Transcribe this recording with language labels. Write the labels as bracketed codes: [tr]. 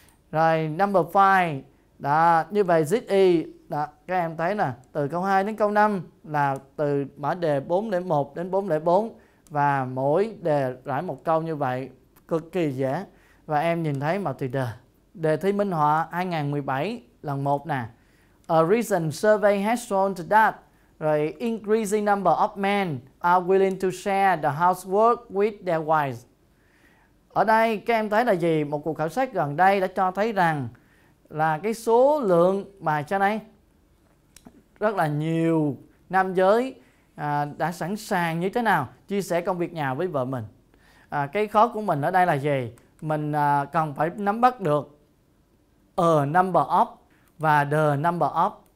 [vi] Rồi number 5, đó, như vậy this is, đó, các em thấy nè, từ câu 2 đến câu 5 là từ mã đề 401 đến 404, và mỗi đề rải một câu như vậy, cực kỳ dễ. Và em nhìn thấy mà từ đề thi minh họa 2017 lần 1 nè. [en] A recent survey has shown that [vi] rồi [en] increasing number of men are willing to share the housework with their wives. [vi] Ở đây các em thấy là gì? Một cuộc khảo sát gần đây đã cho thấy rằng là cái số lượng mà cho này rất là nhiều nam giới đã sẵn sàng như thế nào chia sẻ công việc nhà với vợ mình. Cái khó của mình ở đây là gì? Mình cần phải nắm bắt được [en] a number of [vi] và [en] the number of.